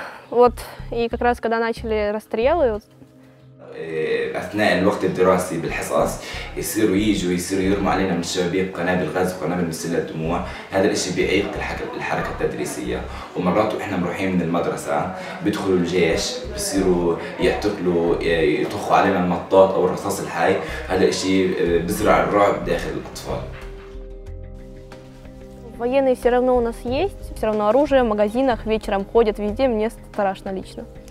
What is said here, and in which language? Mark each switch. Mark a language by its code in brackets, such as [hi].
[ru] Вот, и как раз когда начали расстрелы. [ar] أثناء الوقت الدراسي بالحصص يصيروا يجوا يصيروا يرموا علينا من الشبابيك قنابل غاز وقنابل مسيلة دموع، هذا الشيء بيعيق الحركة التدريسية، ومرات واحنا مروحين من المدرسة بيدخلوا الجيش بيصيروا يعتقلوا يطخوا علينا المطاط أو الرصاص الحي، هذا الشيء بزرع الرعب داخل الأطفال. [ru] Военные все равно у нас есть, все равно оружие в магазинах, вечером ходят везде, мне страшно лично.